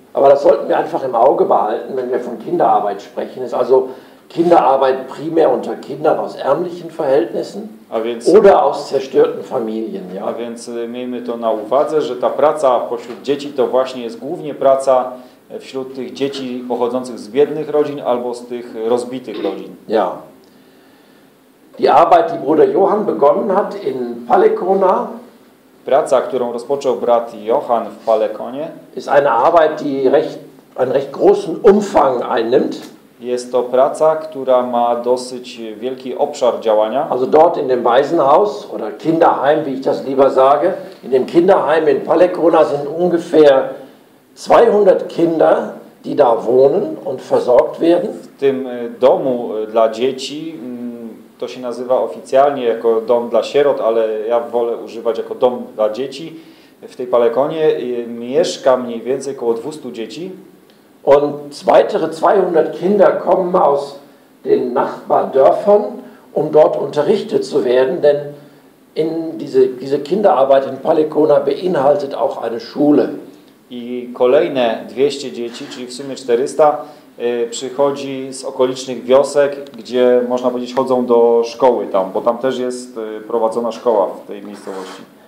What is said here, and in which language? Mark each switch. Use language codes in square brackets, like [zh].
[de] Aber das sollten wir einfach im Auge behalten, wenn wir von Kinderarbeit sprechen. Es ist also Kinderarbeit primär unter Kindern aus ärmlichen Verhältnissen, [pl] a więc, [de] oder aus zerstörten Familien. Ja? [pl] A więc miejmy to na uwadze, że ta praca pośród dzieci to właśnie jest głównie praca wśród tych dzieci pochodzących z biednych rodzin albo z tych rozbitych rodzin. [de] Ja. Die Arbeit, die Bruder Johann begonnen hat in Palekona, [pl] praca, którą rozpoczął brat Johann w Palekonie, [de] ist eine Arbeit, die einen recht großen Umfang einnimmt. [pl] Jest to praca, która ma dosyć wielki obszar działania. [de] Also dort in dem Waisenhaus oder Kinderheim, wie ich das lieber sage, in dem Kinderheim in Palekona sind ungefähr 200 Kinder, die da wohnen und versorgt werden. [pl] W tym domu dla dzieci, to się nazywa oficjalnie jako dom dla sierot, ale ja wolę używać jako dom dla dzieci. W tej Palekonie mieszka mniej więcej około 200 dzieci. [de] Und weitere 200 Kinder kommen aus den Nachbardörfern, um dort unterrichtet zu werden, denn in diese Kinderarbeit in Palekona beinhaltet auch eine Schule. [pl] I kolejne 200 dzieci, czyli w sumie 400, przychodzi z okolicznych wiosek, gdzie można powiedzieć chodzą do szkoły tam, bo tam też jest prowadzona szkoła w tej miejscowości.